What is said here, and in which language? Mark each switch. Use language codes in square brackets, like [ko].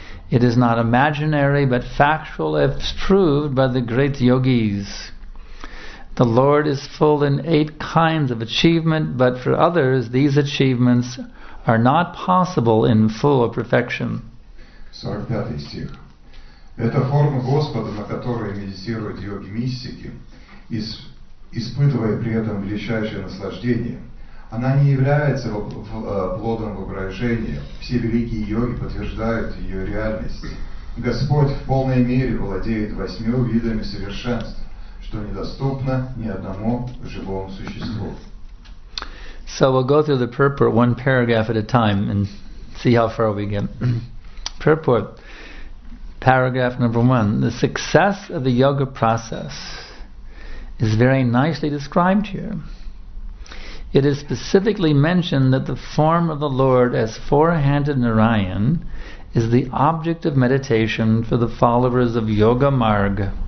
[en] It is not imaginary, but factual, as proved by the great yogis. The Lord is full in 8 kinds of achievement, but for others, these achievements are not possible in full perfection. [ru] 45 стих. Это форма Господа, на которой медитируют йоги-мистики, испытывая при этом величайшее наслаждение. Она не является плодом воображения. Все великие йоги подтверждают ее реальность. Господь в полной мере владеет 8 видами совершенств, что недоступно ни одному живому существу. [en] So we'll go through the purport one paragraph at a time and see how far we get. Purport, paragraph number one. The success of the yoga process is very nicely described here. It is specifically mentioned that the form of the Lord as four-handed Narayan is the object of meditation for the followers of Yoga Marg.